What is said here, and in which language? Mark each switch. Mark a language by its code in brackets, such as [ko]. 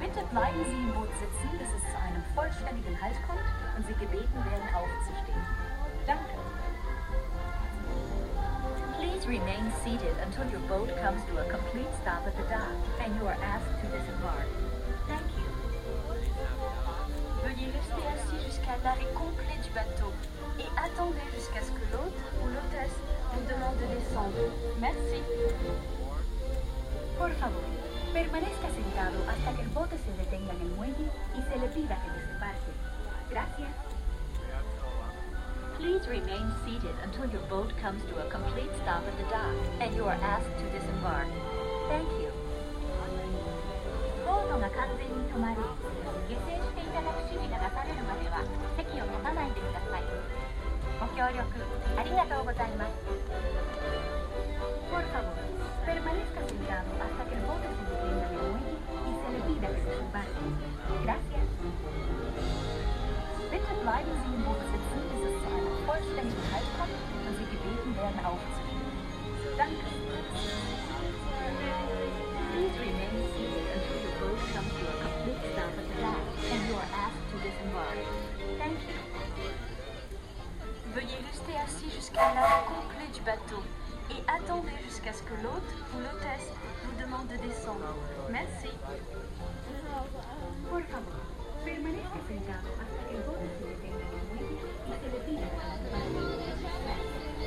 [de] Bleiben Sie im Boot sitzen, bis es zu einem vollständigen Halt kommt und Sie gebeten werden, aufzustehen. Danke. [en] Please remain seated until your boat comes to a complete stop at the dock and you are asked to disembark. Thank you. [fr] Veuillez rester assis jusqu'à l'arrêt complet du bateau et attendez jusqu'à ce que l'hôte ou l'hôtesse vous demande de descendre. Merci. [es] Por favor, permanezca sentado hasta que el bote se detenga en el muelle y se le pida que desembarque. Gracias. [en] Please remain seated until your boat comes to a complete stop at the dock and you are asked to disembark. Thank you. [ja] ボートが完全に止まり、下船していただく指示が出されるまでは席を立たないでください。ご協力ありがとうございます。 [es] Por favor, permanezca sentado hasta que el bote se detenga de nuevo y se le pida que desembarque. Gracias. [de] Bitte bleiben Sie im Boot sitzen, bis es zu einem vollständigen Halt kommt und Sie gebeten werden aufzustehen. Danke. [en] Please remain seated until your boat comes to a complete stop at the dock and you are asked to disembark. Thank you. [fr] Veuillez rester assis jusqu'à l'arrêt complet du bateau et attendez jusqu'à ce que l'hôte ou l'hôtesse vous demande de descendre. Merci. [es] Por favor, permanezca sentado hasta que el boat se detenga en el muelle y se le pida para desembarque.